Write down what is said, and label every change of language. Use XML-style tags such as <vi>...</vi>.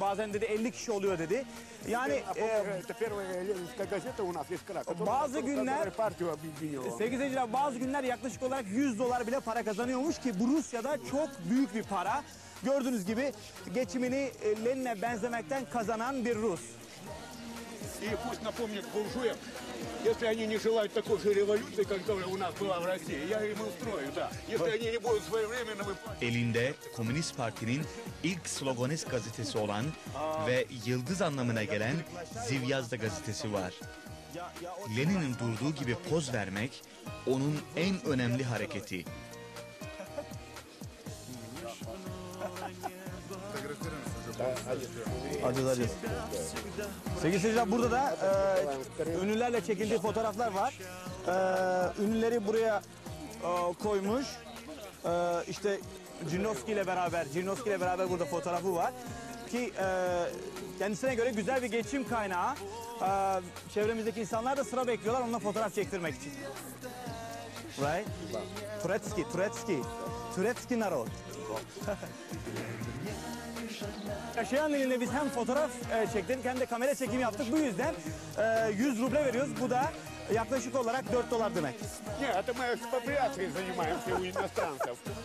<tr>Bazen dedi 50 kişi oluyor dedi. Yani bazı günler sevgili seyirciler, bazı günler yaklaşık olarak 100 dolar bile para kazanıyormuş ki bu Rusya'da çok büyük bir para. Gördüğünüz gibi geçimini Lenin'e benzemekten kazanan bir Rus.</tr> <ru>И пусть напомнит буржуям, если они не желают такой же революции, как у нас была в России, я им устрою, да. Если они не будут своевременно выплачивать...</ru> <tr>Elinde Komünist Parti'nin ilk sloganist gazetesi olan ve yıldız anlamına gelen Zivyazda gazetesi var. Lenin'in durduğu gibi poz vermek onun en önemli hareketi. Acılarız. Sevgili seyirciler, burada da ünlülerle çekildiği fotoğraflar var. Ünlüleri buraya koymuş. İşte Cirinovski ile beraber, burada fotoğrafı var. Ki kendisine göre güzel bir geçim kaynağı. Çevremizdeki insanlar da sıra bekliyorlar onunla fotoğraf çektirmek için.</tr> <en>Right?</en> <ru>Turetski, Turetski narod.</ru> <tr>Yaşayan ilinde biz hem fotoğraf çektirdik hem de kamera çekimi yaptık. Bu yüzden 100 ruble veriyoruz. Bu da yaklaşık olarak 4 dolar demek. Ne,</tr> <ru>это мы экспатриацией занимаемся у иностранцев.</ru>